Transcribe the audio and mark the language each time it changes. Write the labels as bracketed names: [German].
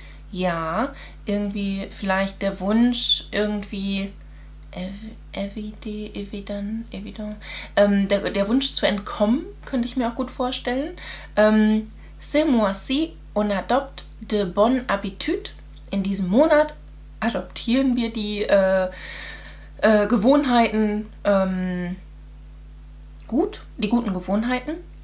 [German] Ja, irgendwie vielleicht der Wunsch, irgendwie der Wunsch zu entkommen, könnte ich mir auch gut vorstellen. [French] Ce mois-ci, on adopte de bonnes habitudes. [German] In diesem Monat adoptieren wir die Gewohnheiten die guten Gewohnheiten.